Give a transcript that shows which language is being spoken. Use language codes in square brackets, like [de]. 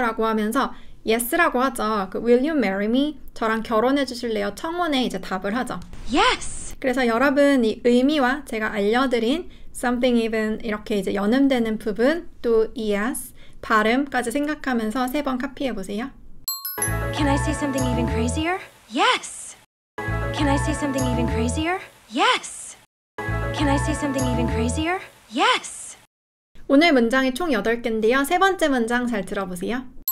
[ko] 라고 하면서 yes라고 하죠. 그 [en] will you marry me? [ko] 저랑 결혼해 주실래요? 청혼에 이제 답을 하죠. [en] yes! [ko] 그래서 여러분 이 의미와 제가 알려드린 [en] something even [ko] 이렇게 이제 연음되는 부분 또 yes 발음까지 생각하면서 세 번 카피해 보세요. [en] Can I say something even crazier? Yes! Can I say something even crazier? Yes! Can I say something even crazier? Yes! [ko] 오늘 문장이 총 8개인데요. 세 번째 문장 잘 들어보세요.